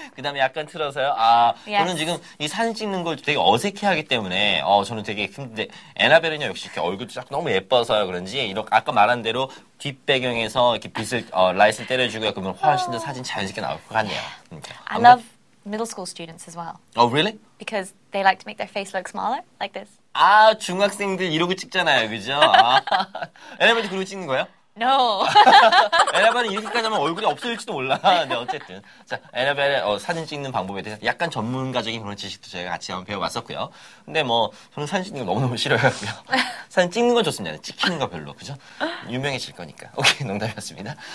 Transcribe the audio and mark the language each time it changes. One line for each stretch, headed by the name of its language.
Korean: 그 다음에 약간 틀어서요.
English: 아, yes.
Korean: 저는 지금 이 사진 찍는 걸 되게 어색해하기 때문에 저는 되게 힘든데 에나벨은요 역시 이렇게 얼굴도 자꾸 너무 예뻐서요 그런지 이렇게 아까 말한 대로 뒷배경에서 이렇게 빛을 라이트를 때려주고요 그러면 훨씬 더 사진 자연스럽게 나올 것 같네요.
English: Yeah. I love middle school students as well. Oh, really? Because they like to make their face look smaller, like this.
Korean: 아, 중학생들 이러고 찍잖아요, 그죠? 에나벨도 그러고 찍는 거예요?
English: No.
Korean: 에나벨은 이렇게까지 하면 얼굴이 없어질지도 몰라. 네, 어쨌든. 자, 에나벨의 사진 찍는 방법에 대해서 약간 전문가적인 그런 지식도 저희가 같이 한번 배워봤었고요. 근데 뭐, 저는 사진 찍는 거 너무너무 싫어요. 사진 찍는 건 좋습니다. 찍히는 거 별로, 그죠? 유명해질 거니까. 오케이, 농담이었습니다.